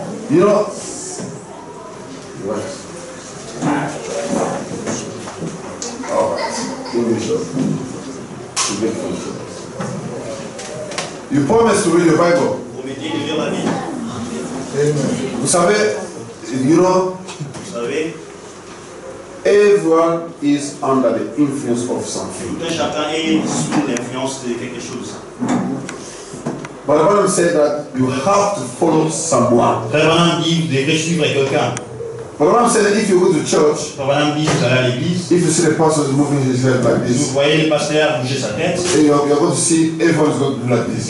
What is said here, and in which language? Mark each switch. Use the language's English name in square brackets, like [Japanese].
[English] You know, you promise to read the Bible. Amen. [French] Vous savez, [English] you know, everyone is under the influence of something. [French] Tout chacun est sous l'influence de quelque chose. [English] But the Bible says that you have to follow someone. [French] Très bien dit, vous devez suivre quelqu'un. [English] But the Bible says that if you go to church, if you see the pastor moving his head like this, [French] vous voyez le pasteur bouger sa tête, [English] and you're going to see everyone's going to do like this.